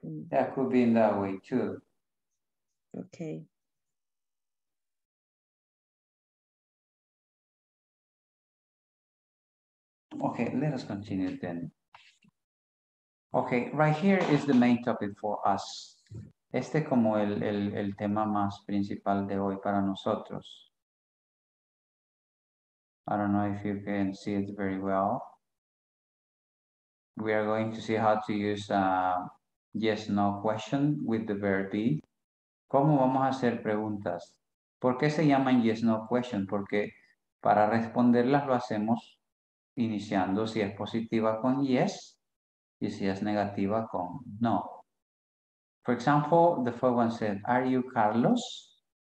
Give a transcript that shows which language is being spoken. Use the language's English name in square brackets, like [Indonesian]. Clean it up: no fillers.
[English] That could be in that way too. Okay. Okay, let us continue then. Okay, right here is the main topic for us. [Spanish] Este como el tema más principal de hoy para nosotros. [English] I don't know if you can see it very well. We are going to see how to use a yes, no question with the verb be. [Spanish] ¿Cómo vamos a hacer preguntas? ¿Por qué se llaman [English] yes, no question? [Spanish] Porque para responderlas lo hacemos iniciando si es positiva con yes y si es negativa con no. [English] For example, the first one said, are you Carlos?